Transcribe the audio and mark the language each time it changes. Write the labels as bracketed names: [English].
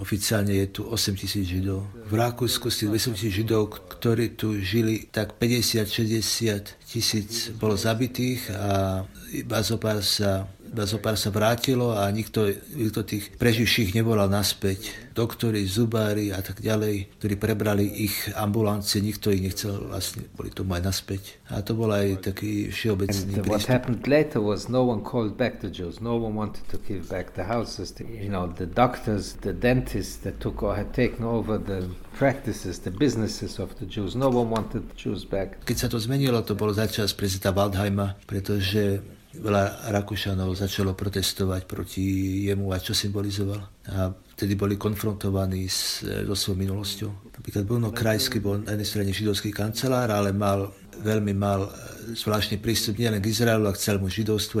[Slovak] Oficiálne je tu 8 tisíc židov. V Rakúsku z tých 200 tisíc židov, ktorí tu žili, tak 50-60 tisíc bolo zabitých a iba zo pár sa vrátilo a nikto tých preživších nevolal naspäť. Doktori, zubári a tak ďalej, ktorí prebrali ich ambulancie, nikto ich nechcel vlastne boli tomu aj naspäť. A to bol aj taký všeobecný prístup. [English] What happened later was no one called back the Jews. No one wanted to give back the houses. The doctors, the dentists that took or had taken over the practices, the businesses of the Jews. No one wanted the Jews back. [Slovak] Keď sa to zmenilo, to bolo začas prezidenta Waldheima, pretože veľa Rakúšanov začalo protestovať proti jemu a čo symbolizoval. A vtedy boli konfrontovaní so svojou minulosťou. Napríklad Bruno Kreisky bol na jednej strane židovský kancelár, ale mal veľmi zvláštny prístup nielen k Izraelu a k celému židovstvu.